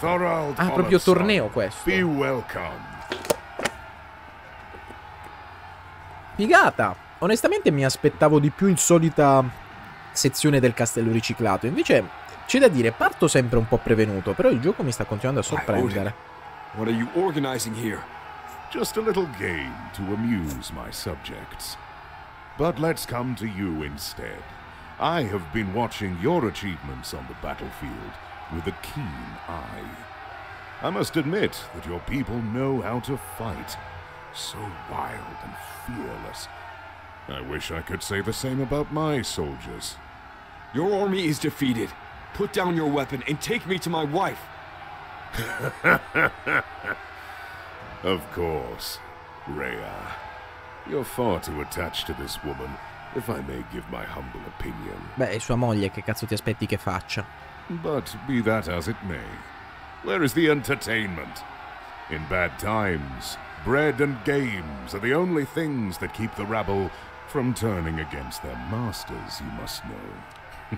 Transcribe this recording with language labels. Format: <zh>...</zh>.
<it>Thorold, ah, proprio torneo questo.</it> <en>Be welcome.</en> <it>Figata! Onestamente mi aspettavo di più il solita sezione del castello riciclato. Invece, c'è da dire, parto sempre un po' prevenuto, però il gioco mi sta continuando a sorprendere.</it> <en>What are you organizing here? Just a little game to amuse my subjects. But let's come to you instead. I have been watching your achievements on the battlefield with a keen eye. I must admit that your people know how to fight. So wild and fearless. I wish I could say the same about my soldiers. Your army is defeated. Put down your weapon and take me to my wife. Of course, Rhea. You're far too attached to this woman, if I may give my humble opinion.</en> <it>Beh, è sua moglie, che cazzo ti aspetti che faccia?</it> <en>But be that as it may, where is the entertainment? In bad times, bread and games are the only things that keep the rabble from turning against their masters, you must know.</en>